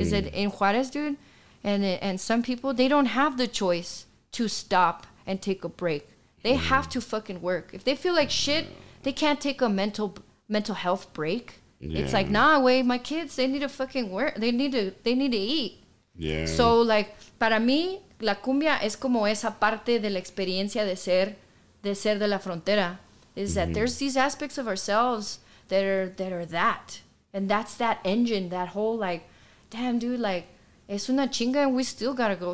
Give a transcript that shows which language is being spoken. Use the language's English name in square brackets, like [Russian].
[English] Is that in Juarez, dude, and some people, they don't have the choice to stop and take a break. They have to fucking work. If they feel like shit, they can't take a mental health break. Yeah. It's like, nah, wait, my kids, they need to fucking work. They need to eat. Yeah. So like, [Spanish] para mí, la cumbia es como esa parte de la experiencia de ser de la frontera. [English] Is that there's these aspects of ourselves that are that. And that's that engine, that whole like, damn, dude, like, [Spanish] es una chinga [English] and we still gotta go.